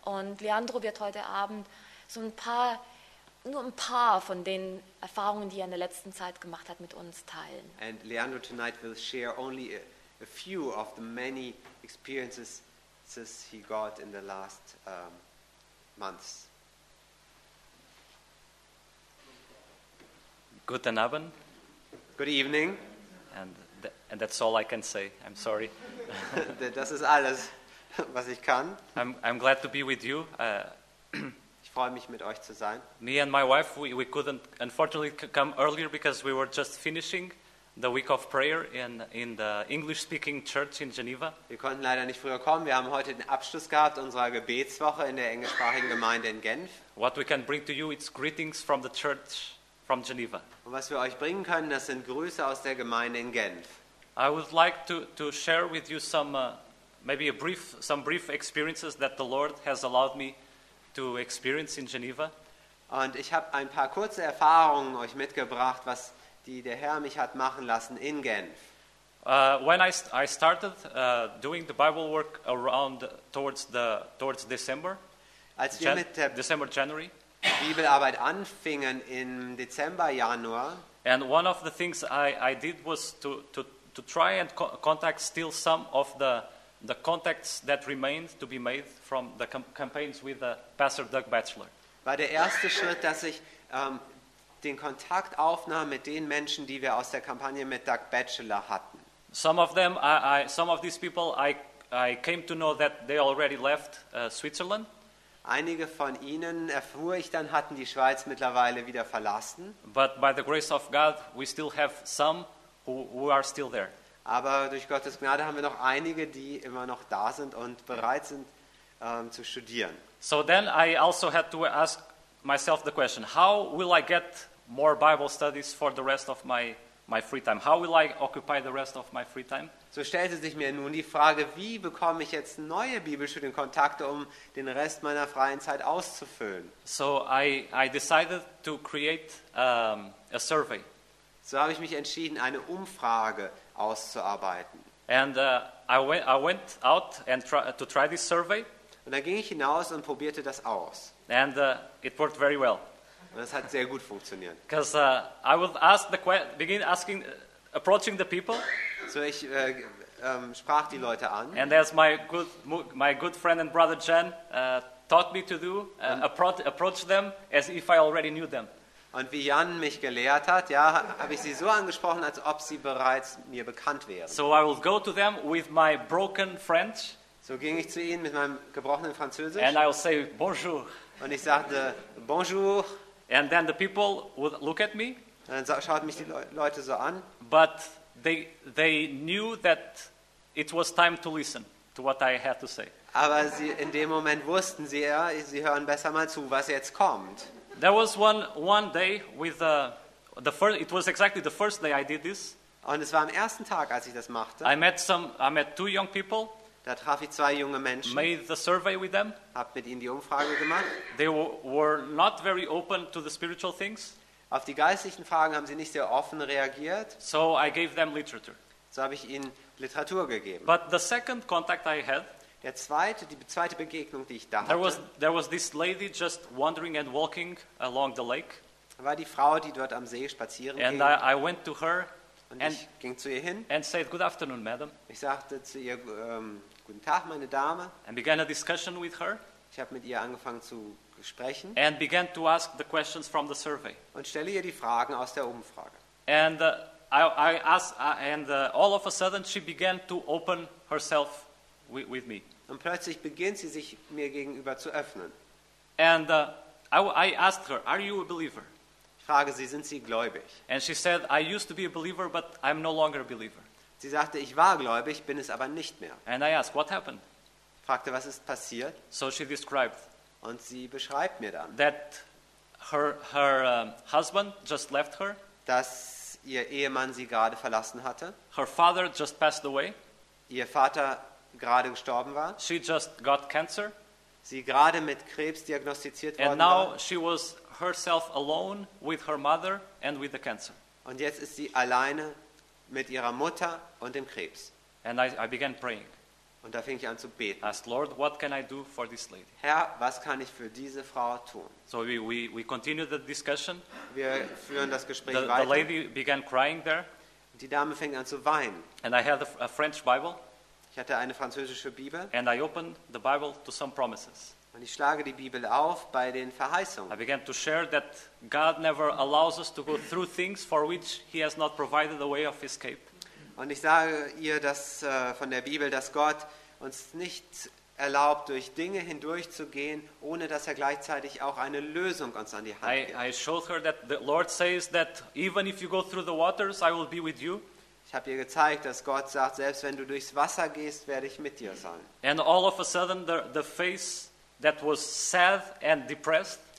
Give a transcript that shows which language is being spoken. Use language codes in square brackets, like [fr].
[de] Und Leandro wird heute Abend so nur ein paar von den Erfahrungen, die er in der letzten Zeit gemacht hat, mit uns teilen. [en] And Leandro tonight will share only a few of the many experiences he got in the last months. [de] Guten Abend. [en] Good evening. And that's all I can say. I'm sorry. [de] Das ist alles, was ich kann. [en] I'm glad to be with you. [de] Ich freue mich, mit euch zu sein. [en] Me and my wife, we couldn't unfortunately come earlier because we were just finishing the week of prayer in the English-speaking church in Geneva. [de] Wir konnten leider nicht früher kommen. Wir haben heute den Abschluss gehabt unserer Gebetswoche in der englischsprachigen Gemeinde in Genf. [en] What we can bring to you is greetings from the church. From Geneva. [de] Und was wir euch bringen können, das sind Grüße aus der Gemeinde in Genf. [en] I would like to share with you some brief experiences that the Lord has allowed me to experience in Geneva. [de] Und ich habe ein paar kurze Erfahrungen euch mitgebracht, was der Herr mich hat machen lassen in Genf. [en] When I started doing the Bible work around towards December. [de] Als wir [en] December January. [de] Bibelarbeit anfingen im Dezember, Januar. [en] And one of the things I did was to try and contact still some of the the contacts that remained to be made from the campaigns with Pastor Doug Batchelor. [de] War der erste Schritt, dass ich den Kontakt aufnahm mit den Menschen, die wir aus der Kampagne mit Doug Batchelor hatten. [en] Some of these people I came to know that they already left Switzerland. [de] Einige von ihnen erfuhr ich dann, hatten die Schweiz mittlerweile wieder verlassen. [en] But by the grace of God, we still have some who are still there. [de] Aber durch Gottes Gnade haben wir noch einige, die immer noch da sind und bereit sind zu studieren. [en] So then I also had to ask myself the question: How will I get more Bible studies for the rest of my free time? How will I occupy the rest of my free time? [de] So stellte sich mir nun die Frage, wie bekomme ich jetzt neue Bibelstudienkontakte, um den Rest meiner freien Zeit auszufüllen? [en] So I decided to create a survey. [de] So habe ich mich entschieden, eine Umfrage auszuarbeiten. [en] And I went out and to try this survey. [de] Und dann ging ich hinaus und probierte das aus. [en] And it worked very well. [de] Und es hat sehr gut funktioniert. [en] Because I would approaching the people. [de] So ich sprach die Leute an. [en] And as my good friend and brother Jen taught me to do, approach them as if I already knew them. [de] Und wie Jan mich gelehrt hat, ja, habe ich sie so angesprochen, als ob sie bereits mir bekannt wären. [en] So I will go to them with my broken French. [de] So ging ich zu ihnen mit meinem gebrochenen Französisch. [en] And I will say bonjour. [de] Und ich sagte bonjour. [en] And then the people would look at me. [de] Und dann schauten mich die Leute so an. [en] But they knew that it was time to listen to what I had to say. [de] Aber sie, in dem Moment wussten sie ja, sie hören besser mal zu, was jetzt kommt. [en] There was one day with the first. It was exactly the first day I did this. [de] Und es war am ersten Tag, als ich das machte. [en] I met two young people. [de] Da traf ich zwei junge Menschen. [en] Made the survey with them. [de] Hab mit ihnen die Umfrage gemacht. [en] They were not very open to the spiritual things. [de] Auf die geistlichen Fragen haben sie nicht sehr offen reagiert. [en] So I gave them literature. [de] So habe ich ihnen Literatur gegeben. [en] But the second contact I had. [de] Die zweite Begegnung, die ich da hatte. [en] There was this lady just wandering and walking along the lake. [de] Da war die Frau, die dort am See spazieren [en] and I went to her [de] und ich ging zu ihr hin. [en] And said, "Good afternoon, madam." [de] Ich sagte zu ihr, "Guten Tag, meine Dame." [en] And began a discussion with her. [de] Ich habe mit ihr angefangen zu sprechen. [en] And began to ask the questions from the survey. [de] Und stelle ihr die Fragen aus der Umfrage. [en] And all of a sudden she began to open herself with me. [de] Und plötzlich beginnt sie sich mir gegenüber zu öffnen. [en] And I asked her, "Are you a believer?" [de] Ich frage sie, sind Sie gläubig? [en] And she said, "I used to be a believer, but I'm no longer a believer." [de] Sie sagte, ich war gläubig, bin es aber nicht mehr. [en] And I asked, "What happened?" [de] Ich fragte, was ist passiert? [en] So she described. [de] Und sie beschreibt mir dann, [en] that her husband just left her. [de] Dass ihr Ehemann sie gerade verlassen hatte. [en] Her father just passed away. [de] Ihr Vater gerade gestorben war. [en] She just got cancer. [de] Sie gerade mit Krebs diagnostiziert [en] and [de] worden [en] now [de] war. [en] She was herself alone with her mother and with the cancer. [de] Und jetzt ist sie alleine mit ihrer Mutter und dem Krebs. [en] And I began praying. [de] Und da fing ich an zu beten. [en] Asked, "Lord, what can I do for this lady?" [de] Herr, was kann ich für diese Frau tun? [en] So we continue the discussion. [de] Wir führen das Gespräch [en] the, [de] weiter. [en] The lady began crying there. [de] Und die Dame fing an zu weinen. [en] And I had a French Bible. [de] Ich hatte eine französische Bibel. [en] And I opened the Bible to some promises. [de] Und ich schlage die Bibel auf bei den Verheißungen. [en] I began to share that God never allows us to go through things for which he has not provided a way of escape. [de] Und ich sage ihr das von der Bibel, dass Gott uns nicht erlaubt, durch Dinge hindurchzugehen, ohne dass er gleichzeitig auch eine Lösung uns an die Hand gibt. [en] I showed her that the Lord says that even if you go through the waters, I will be with you. [de] Ich habe ihr gezeigt, dass Gott sagt, selbst wenn du durchs Wasser gehst, werde ich mit dir sein. [en] And all of a sudden the face that was sad and depressed.